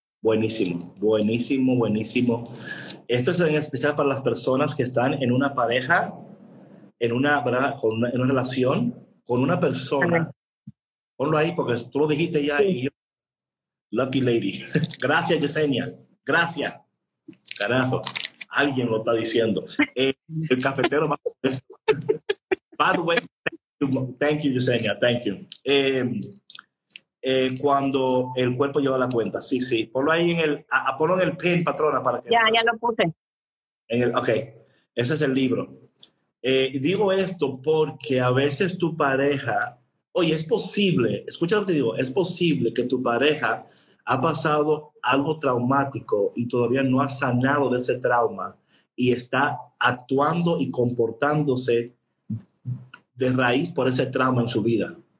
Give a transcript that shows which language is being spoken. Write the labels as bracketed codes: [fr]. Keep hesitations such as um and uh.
[es] Buenísimo, buenísimo, buenísimo. Esto es en especial para las personas que están en una pareja, en una, ¿verdad? Con una- en una relación, con una persona. Ponlo ahí porque tú lo dijiste ya y yo. [en] Lucky lady. [es] Gracias, Yesenia. Gracias. Carajo. Alguien lo está diciendo. Eh, el cafetero más honesto. [en] By the way, thank you, thank you, Yesenia. Thank you. [es] Eh, eh, cuando el cuerpo lleva la cuenta. Sí, sí. Ponlo ahí en el, a- a- ponlo en el pin, patrona, para que. Ya, ya lo puse. En el, ok, ese es el libro. Eh, y digo esto porque a veces tu pareja, oye, es posible, escucha lo que te digo, es posible que tu pareja ha pasado algo traumático y todavía no ha sanado de ese trauma y está actuando y comportándose de raíz por ese trauma en su vida.